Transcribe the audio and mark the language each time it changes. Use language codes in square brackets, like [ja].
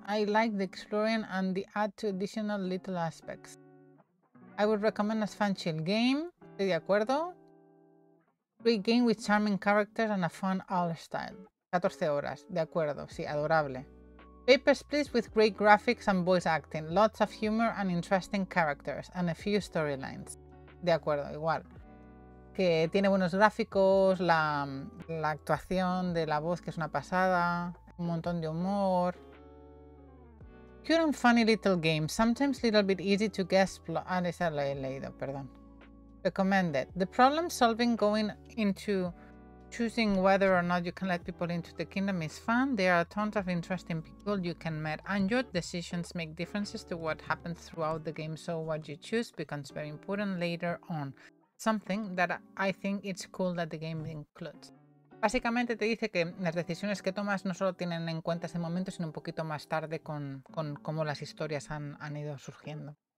[en] I like the exploring and the add to additional little aspects. I would recommend as fun chill game. [es] Estoy de acuerdo. [en] Great game with charming characters and a fun art style. [es] 14 horas, de acuerdo, sí, adorable. [en] Papers, Please with great graphics and voice acting. Lots of humor and interesting characters and a few storylines. [es] De acuerdo, igual. Que tiene buenos gráficos, la actuación de la voz, que es una pasada, un montón de humor. [en] Cute and funny little game, sometimes a little bit easy to guess. [es] Ah, esa la he leído, perdón. Recommended. [en] The problem solving going into choosing whether or not you can let people into the kingdom is fun. There are tons of interesting people you can meet, and your decisions make differences to what happens throughout the game, so what you choose becomes very important later on. Something that I think it's cool that the game includes. [es] Básicamente te dice que las decisiones que tomas no solo tienen en cuenta ese momento, sino un poquito más tarde con cómo las historias han ido surgiendo.